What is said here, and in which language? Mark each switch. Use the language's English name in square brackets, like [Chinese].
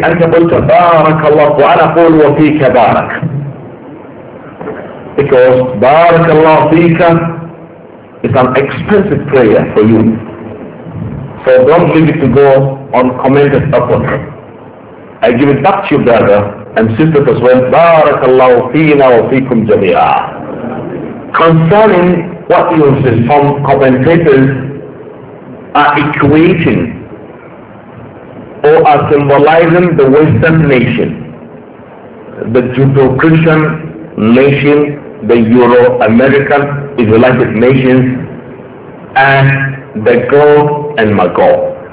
[Arabic] أنت قلت بارك الله وأنا أقول وفيك بارك. [English] Because [Arabic] بارك الله فيك [English] is an expensive prayer for you. So don't leave it to go on commented upon. I give it back to you brother and sister as well. [Arabic] بارك الله فينا وفيكم جميعا. [English] Concerning what you say, some commentators are equating or are symbolizing the Western nation, the Judeo-Christian nation, the Euro-American Israelitic nations, and the Gog and Magog.